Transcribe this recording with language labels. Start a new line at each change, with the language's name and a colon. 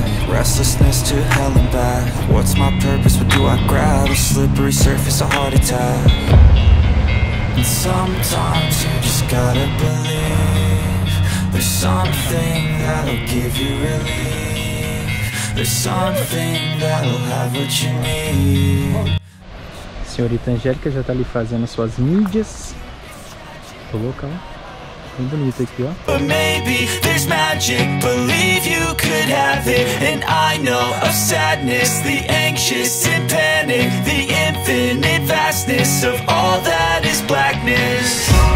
English: Restlessness to hell and back. What's my purpose? What do I grab? A slippery surface, a heart attack. And sometimes you just gotta believe there's something that'll give you relief. There's something that'll have what you need.
Portuguese: Senhorita Angélica já tá ali fazendo suas mídias. Coloca, ó. Bem bonito aqui, ó.
English: But maybe there's magic, believe you could have it. And I know of sadness, the anxious and panic, the infinite vastness of all that is blackness.